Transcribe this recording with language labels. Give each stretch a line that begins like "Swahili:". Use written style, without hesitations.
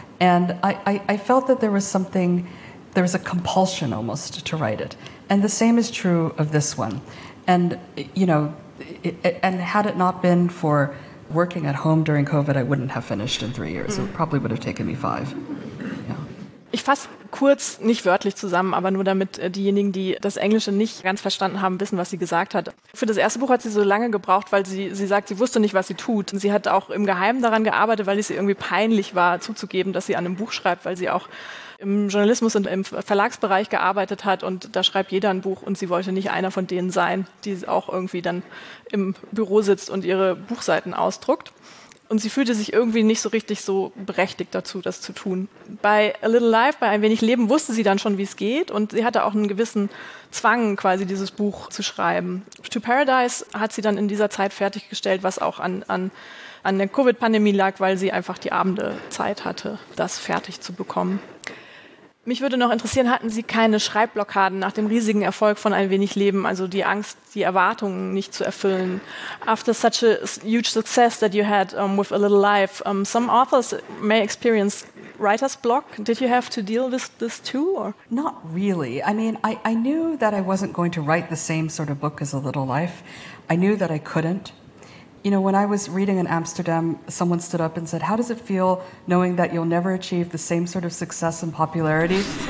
English: And I felt that there was something, there was a compulsion almost to write it. And the same is true of this one. And, you know, and had it not been for working at home during COVID, I wouldn't have finished in 3 years. It probably would have taken me 5. Yeah.
German: Ich fasse kurz, nicht wörtlich zusammen, aber nur damit diejenigen, die das Englische nicht ganz verstanden haben, wissen, was sie gesagt hat. Für das erste Buch hat sie so lange gebraucht, weil sie sagt, sie wusste nicht, was sie tut. Und sie hat auch im Geheimen daran gearbeitet, weil es ihr irgendwie peinlich war, zuzugeben, dass sie an einem Buch schreibt, weil sie auch im Journalismus und im Verlagsbereich gearbeitet hat und da schreibt jeder ein Buch und sie wollte nicht einer von denen sein, die auch irgendwie dann im Büro sitzt und ihre Buchseiten ausdruckt. Und sie fühlte sich irgendwie nicht so richtig so berechtigt dazu, das zu tun. Bei A Little Life, bei Ein wenig Leben, wusste sie dann schon, wie es geht. Und sie hatte auch einen gewissen Zwang, quasi dieses Buch zu schreiben. To Paradise hat sie dann in dieser Zeit fertiggestellt, was auch an der Covid-Pandemie lag, weil sie einfach die Abende Zeit hatte, das fertig zu bekommen. Mich würde noch interessieren, hatten Sie keine Schreibblockaden nach dem riesigen Erfolg von Ein wenig Leben, also die Angst, die Erwartungen nicht zu erfüllen?
English: After such a huge success that you had with A Little Life, some authors may experience writer's block. Did you have to deal with this too? Or? Not really. I mean, I knew that I wasn't going to write the same sort of book as A Little Life. I knew that I couldn't. You know, when I was reading in Amsterdam, someone stood up and said, how does it feel knowing that you'll never achieve the same sort of success and popularity?